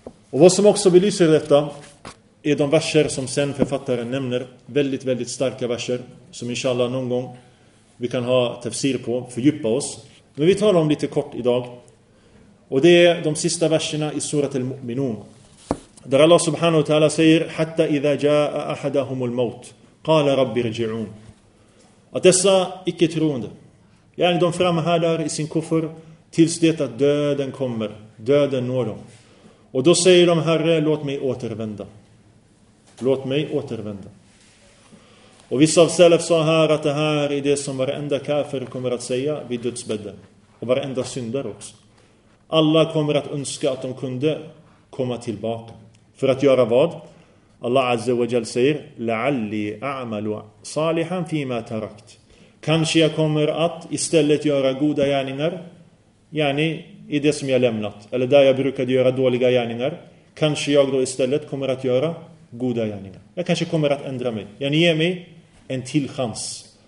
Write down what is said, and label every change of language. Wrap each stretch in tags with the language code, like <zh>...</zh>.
<sv>Och vad som också belyser detta är de verser som sen författaren nämner. Väldigt, väldigt starka verser som inshallah någon gång vi kan ha tafsir på, fördjupa oss. Men vi talar om lite kort idag. Och det är de sista verserna i surat al-Mu'minun. Där</sv> <ar>Allah subhanahu wa ta'ala</ar> <sv>säger</sv> <ar>حتى إذا جاء أحدهم الموت قال ربي رجعون.</ar> <sv>Att dessa icke-troende, yani de framhärdar i sin kuffer tills det att döden kommer, döden når dem. Och då säger de, Herre, låt mig återvända. Låt mig återvända. Och vissa av salaf sa här att det här är det som varenda kafir kommer att säga vid dödsbädden. Och varenda syndare också. Alla kommer att önska att de kunde komma tillbaka. För att göra vad?</sv> <ar>Allah Azza wa Jal</ar> <sv>säger</sv> <ar>لَعَلِّي أَعْمَلُ صَالِحًا فِي مَا تَرَكْتْ.</ar> <sv>Kanske jag kommer att istället göra goda gärningar, yani i det som jag lämnat, eller där jag brukade göra dåliga gärningar, kanske jag då istället kommer att göra goda gärningar. Jag kanske kommer att ändra mig. Jag ger mig en till chans.</sv>